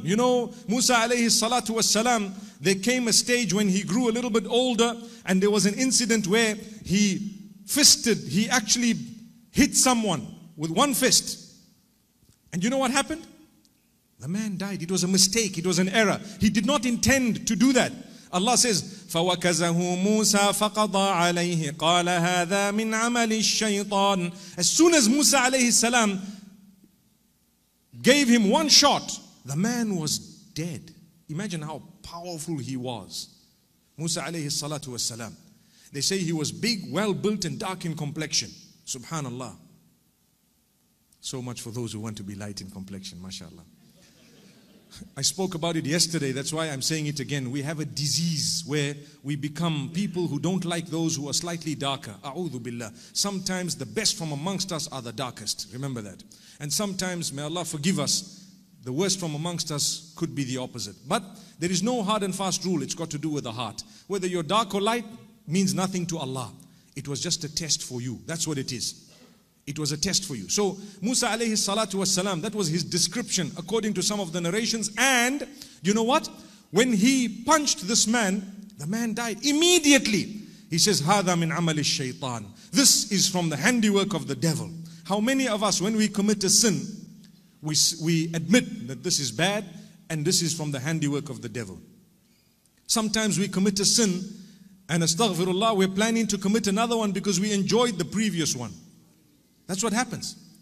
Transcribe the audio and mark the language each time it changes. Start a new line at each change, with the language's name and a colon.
English: You know, Musa alayhi salatu wasalam, there came a stage when he grew a little bit older and there was an incident where he fisted. He actually hit someone with one fist. And you know what happened? The man died. It was a mistake. It was an error. He did not intend to do that. Allah says,
Arabic: فَوَكَزَهُ مُوسَى فَقَضَى عَلَيْهِ قَالَ هَذَا مِنْ عَمَلِ الشَّيْطَانِ.
English: As soon as Musa alayhi salam gave him one shot, the man was dead. Imagine how powerful he was. Musa alayhi salatu wasalam. They say he was big, well-built and dark in complexion. Subhanallah. So much for those who want to be light in complexion, mashallah. I spoke about it yesterday, that's why I'm saying it again. We have a disease where we become people who don't like those who are slightly darker. A'udhu billah. Sometimes the best from amongst us are the darkest. Remember that. And sometimes, may Allah forgive us, the worst from amongst us could be the opposite. But there is no hard and fast rule. It's got to do with the heart. Whether you're dark or light means nothing to Allah. It was just a test for you. That's what it is. It was a test for you. So Musa alayhi salatu wasalam, that was his description according to some of the narrations. And you know what? When he punched this man, the man died immediately.
Arabic: He says, هذا من عمل الشيطان.
English: This is from the handiwork of the devil. How many of us, when we commit a sin, we admit that this is bad and this is from the handiwork of the devil. Sometimes we commit a sin and astaghfirullah, we're planning to commit another one because we enjoyed the previous one. That's what happens.